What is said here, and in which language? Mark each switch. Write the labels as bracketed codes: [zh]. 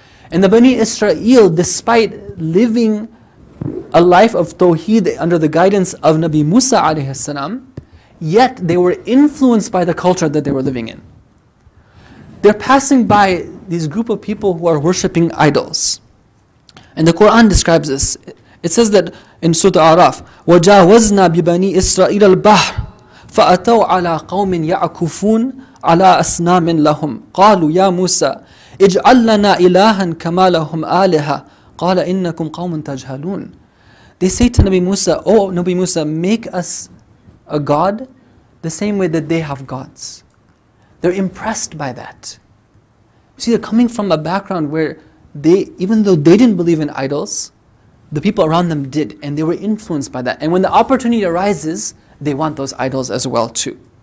[en] And the Bani Israel, despite living a life of Tawheed under the guidance of Nabi Musa alayhi salam, yet they were influenced by the culture that they were living in. They're passing by these group of people who are worshipping idols. And the Quran describes this. It says that in Surah Al-A'raf, [ar] وَجَاوَزْنَا بِبَنِي إِسْرَائِيلَ الْبَحْرِ فَأَتَوْا عَلَىٰ قَوْمٍ يَعْكُفُونَ عَلَىٰ أَصْنَامٍ لَهُمْ قَالُوا يَا مُوسَىٰ اِجْعَلْ لَنَا إِلَٰهًا كَمَا لَهُمْ آلِهَا قَالَ إِنَّكُمْ قَوْمٌ تَجْهَلُونَ. [en] They say to Nabi Musa, oh Nabi Musa, make us a god the same way that they have gods. They're impressed by that. You see, they're coming from a background where they, even though they didn't believe in idols, the people around them did, and they were influenced by that. And when the opportunity arises, they want those idols as well too.